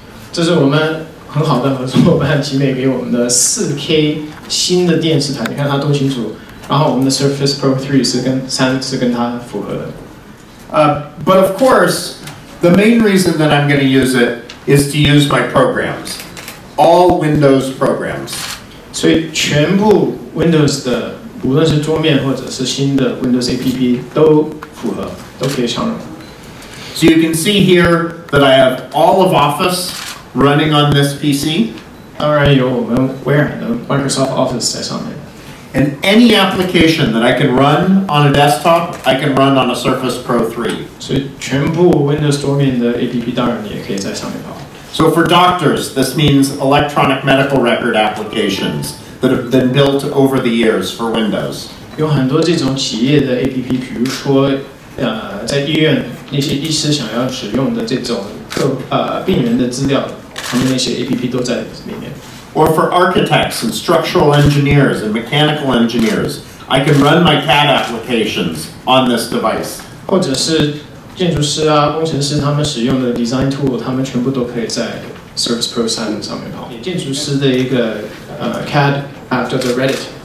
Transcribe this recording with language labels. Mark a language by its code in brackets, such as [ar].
[zh] 这是我们很好的合作伙伴集美给我们的 4K 新的电视台，你看它多清楚。然后我们的 Surface Pro 3是跟它符合的。 [en] But of course, the main reason that I'm going to use it is to use my programs, all Windows programs. [zh] 所以全部 Windows 的。无论是桌面或者是新的 Windows APP 都符合，都可以上用。 [en] So you can see here that I have all of Office running on this PC. [zh] 当然有我们微软的 Microsoft Office 在上面。 [en] And any application that I can run on a desktop, I can run on a Surface Pro 3. [zh] 所以全部 Windows 桌面的 APP 当然你也可以在上面跑。 [en] So for doctors, this means electronic medical record applications. That have been built over the years for Windows. [zh] 有很多这种企业的 APP， 比如说，在医院那些医师想要使用的这种病人的资料，他们那些 APP 都在里面。 [en] Or for architects and structural engineers and mechanical engineers, I can run my CAD applications on this device. [zh] 或者是建筑师啊、工程师他们使用的 design tool， 他们全部都可以在 Surface Pro 3上面跑。建筑师的一个。 [en] CAD after the Reddit.